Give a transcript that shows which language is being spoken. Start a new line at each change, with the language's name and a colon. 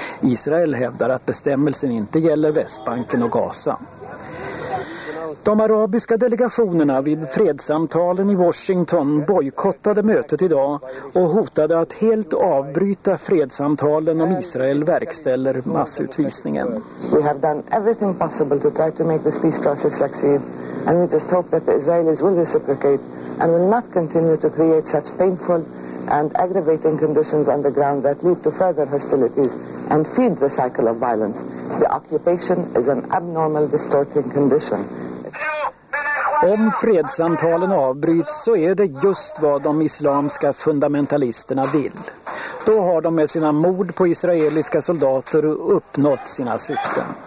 Swedish: Israel hävdar att bestämmelsen inte gäller Västbanken och Gaza. De arabiska delegationerna vid fredssamtalen i Washington bojkottade mötet idag och hotade att helt avbryta fredssamtalen om Israel verkställer massutvisningen.
English: We have done everything possible to try to make this peace process succeed, and we just hope that the Israelis will reciprocate and will not continue to create such painful and aggravating conditions on the ground that lead to further hostilities and feed the cycle of violence. The occupation is an abnormal distorting condition.
Swedish: Om fredssamtalen avbryts så är det just vad de islamiska fundamentalisterna vill. Då har de med sina mord på israeliska soldater uppnått sina syften.